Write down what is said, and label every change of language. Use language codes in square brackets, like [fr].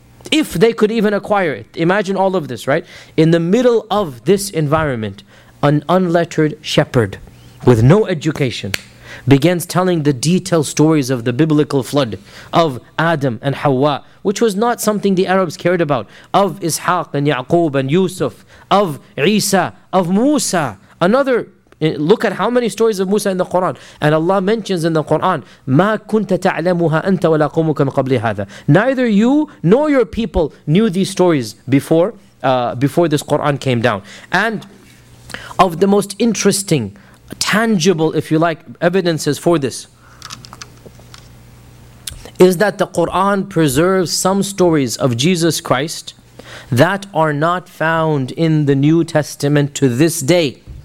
[en] If they could even acquire it. Imagine all of this, right? In the middle of this environment, an unlettered shepherd with no education begins telling the detailed stories of the biblical flood of Adam and Hawa, which was not something the Arabs cared about, of Ishaq and Ya'qub and Yusuf, of Isa, of Musa. Another, look at how many stories of Musa in the Quran. And Allah mentions in the Quran, [ar] مَا كُنْتَ تَعْلَمُهَا أَنْتَ وَلَا قُمُكَ مِنْ قَبْلِ هَذَا. [en] Neither you nor your people knew these stories before this Quran came down. And of the most interesting, tangible, if you like, evidences for this, is that the Quran preserves some stories of Jesus Christ that are not found in the New Testament to this day.